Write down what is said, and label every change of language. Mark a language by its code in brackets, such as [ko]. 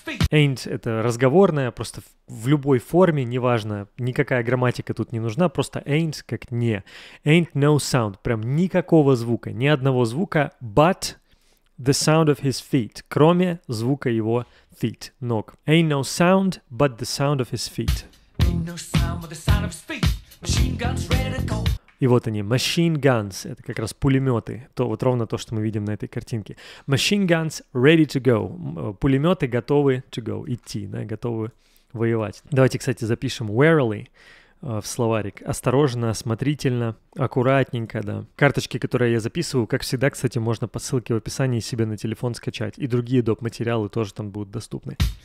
[ru] Ain't — это разговорное, просто в любой форме, неважно, никакая грамматика тут не нужна, просто ain't — как не. [en] Ain't no sound [ru] — прям никакого звука, ни одного звука, [en] but... The sound of his feet, [ru] кроме звука его [en] feet, [ru] ног. [en] Ain't no sound, but the sound of his feet. Ain't no sound, but the sound of his feet. Machine guns ready to go. [ru] И вот они, machine guns, это как раз пулеметы, то вот ровно то, что мы видим на этой картинке. Machine guns ready to go, пулеметы готовы to go, идти, да, готовы воевать. Давайте, кстати, запишем warily в словарик. Осторожно, осмотрительно, аккуратненько, да. Карточки, которые я записываю, как всегда, кстати, можно по ссылке в описании себе на телефон скачать. И другие доп-материалы тоже там будут доступны.